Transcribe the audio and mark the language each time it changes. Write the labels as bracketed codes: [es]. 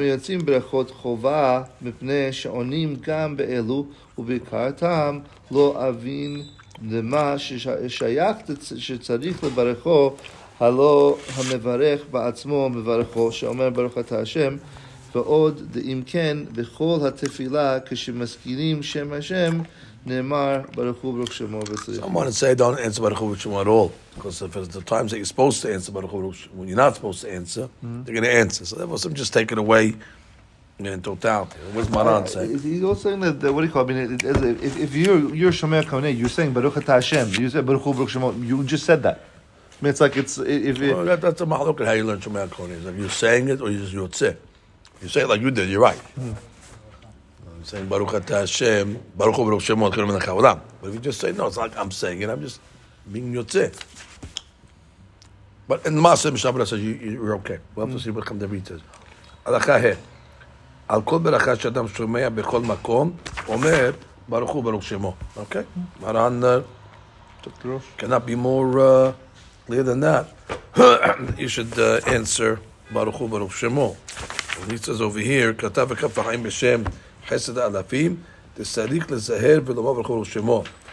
[he] יוצאים ברכות חובה מפני שעונים גם באלו ובעיקרתם לא אבין למה ששייך שצריך לברכו הלא המברך בעצמו מברכו שאומר ברוך אתה השם ועוד אם כן בכל התפילה כשמזכירים שם השם נאמר ברוך הוא ברוך שמו וצריך [en] someone would say don't answer [he] ברוך הוא ברוך שמו [en] at all because if it's the times that you're supposed to answer ברוך הוא ברוך שמו when you're not supposed to answer they're going to answer so that was I'm just taking away in totality. What's Maran saying? He's also saying that what do you call it? I mean, if you're Shomer Kavaneh, you're saying Baruch Atah Hashem. You say Baruch Hu Baruch Shemo. You just said that. I mean, it's like it's if well, that's a mahalok how you learn Shomer Kavaneh. If you're saying it or you just Yotze. You say it like you did. You're right. I'm saying Baruch Atah Hashem. Baruch Hu Baruch Shemo. But if you just say no, it's like I'm saying it. I'm just being Yotze. But in the Masa Mishnah says you're okay. We'll have to see what Chamdevi says. Alakha here. [he] על כל ברכה שאדם שומע בכל מקום, אומר, ברוך הוא ברוך שמו. אוקיי? [en] מרן, cannot be more clear than that. You should answer, [he] ברוך הוא ברוך שמו. [en] And he says over here, [he] כתב וכף החיים בשם חסד האלפים, תסריך לזהר ולומר ברוך הוא ברוך שמו.